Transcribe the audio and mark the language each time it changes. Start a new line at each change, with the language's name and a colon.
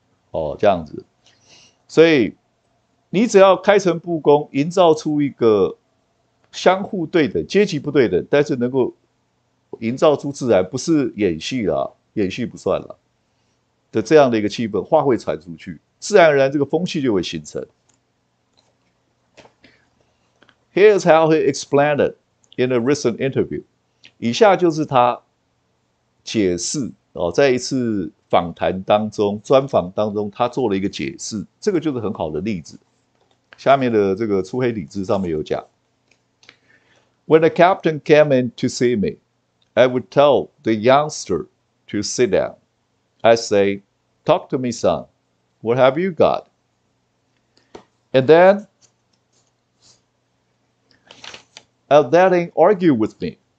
Chinese: 哦，这样子，所以你只要开诚布公，营造出一个相互对等、阶级不对等，但是能够营造出自然，不是演戏啦，演戏不算了的这样的一个气氛，话会传出去，自然而然这个风气就会形成。
English: Here's how he explained it in a recent interview。
Chinese: 以下就是他解释哦，在一次访谈当中、专访当中，他做了一个解释，这个就是很好的例子。下面的这个粗黑体字上面有讲：
English: When the captain came in to see me, I would tell the youngster to sit down. I say, "Talk to me, son. What have you got?" And then I'll let him argue with me.